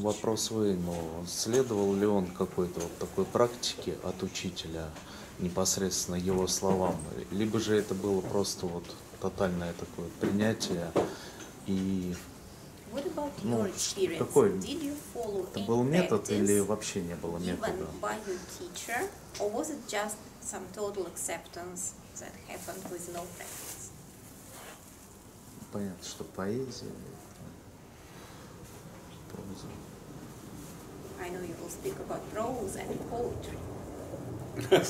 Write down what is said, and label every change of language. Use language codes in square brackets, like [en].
[ru] Вопрос Вейну, следовал ли он какой-то вот такой практике от учителя непосредственно его словам, либо же это было просто вот тотальное такое принятие и [en] what about your experience? [ru] Какой? [en] Did you follow [ru] это был метод или вообще не было метода? [en] By your teacher, or was it just some total acceptance that happened with no practice? [ru] Понятно, что поэзия или проза. [en] I know you will speak about prose and poetry.